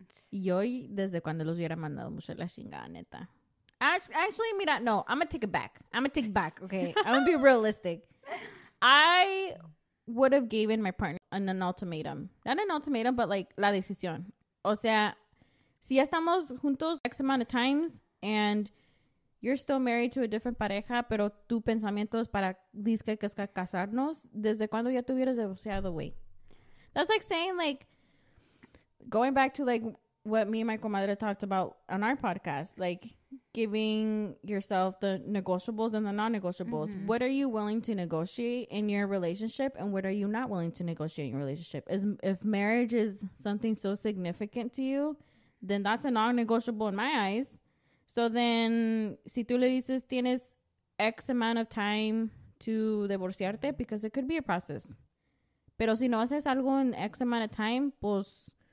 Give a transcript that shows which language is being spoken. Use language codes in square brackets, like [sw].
[es] Yo, desde cuando los hubiera mandado mucho la chingada, neta. [en] Actually, [es] mira, no, [en] I'm gonna take it back, okay? I'm gonna be realistic. I would have given my partner an ultimatum. Not an ultimatum, but like, [es] la decisión. O sea, si ya estamos juntos [en] X amount of times and you're still married to a different [es] pareja, pero tu pensamiento es para disque que es casarnos, ¿desde cuando ya tuvieras divorciado, güey? [en] That's like saying, like, going back to, like, what me and my comadre talked about on our podcast, like, giving yourself the negotiables and the non-negotiables. Mm-hmm. What are you willing to negotiate in your relationship, and what are you not willing to negotiate in your relationship? If marriage is something so significant to you, then that's a non-negotiable in my eyes. So then, [es] si tú le dices tienes [en] X amount of time to divorciarte, because it could be a process. [es] Pero si no haces algo en [en] X amount of time, [es] pues...